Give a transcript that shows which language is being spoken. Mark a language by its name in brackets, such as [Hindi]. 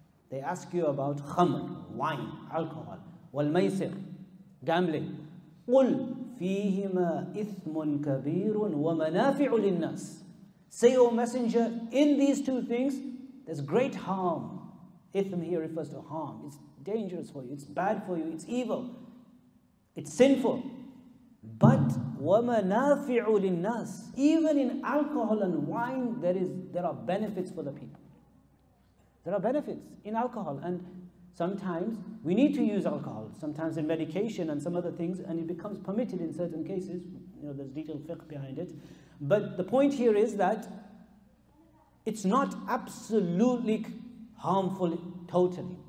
[English] They ask you about khamr, wine, alcohol, والميسر, gambling. [Arabic] قُلْ فِيهِمَا إِثْمٌ كَبِيرٌ وَمَنَافِعُ لِلنَّاسِ. [English] Say, O Messenger, in these two things, there's great harm. Ithm here refers to harm. It's dangerous for you. It's bad for you. It's evil. It's sinful. But [Arabic] وَمَنَافِعُ لِلنَّاسِ. [English] Even in alcohol and wine, there are benefits for the people. There are benefits in alcohol. And sometimes we need to use alcohol. Sometimes in medication and some other things. And it becomes permitted in certain cases. You know, there's detailed fiqh behind it. But the point here is that it's not absolutely harmful totally.